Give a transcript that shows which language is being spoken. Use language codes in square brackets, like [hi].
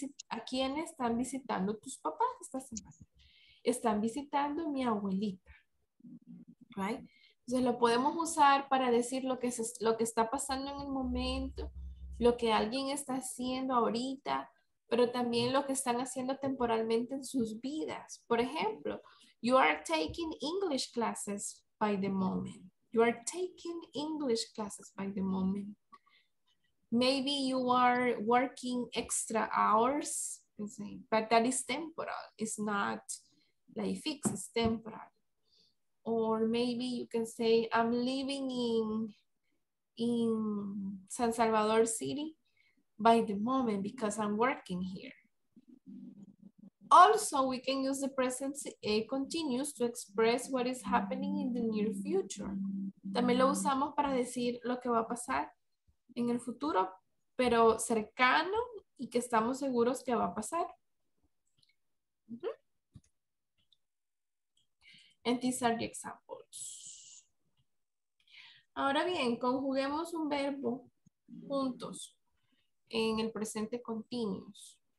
[es] ¿A quiénes están visitando tus papás esta semana? Están visitando mi abuelita. [en] Right? [es] Entonces lo podemos usar para decir lo que está pasando en el momento, lo que alguien está haciendo ahorita, pero también lo que están haciendo temporalmente en sus vidas. Por ejemplo, [en] you are taking English classes by the moment. You are taking English classes by the moment. maybe you are working extra hours, but that is temporal. It's not like fixed, it's temporal. Or maybe you can say, I'm living in San Salvador City by the moment because I'm working here. Also, we can use the present continuous to express what is happening in the near future. [es] También lo usamos para decir lo que va a pasar en el futuro, pero cercano y que estamos seguros que va a pasar. [en] And these are the examples. [es] Ahora bien, conjuguemos un verbo juntos en el presente continuous.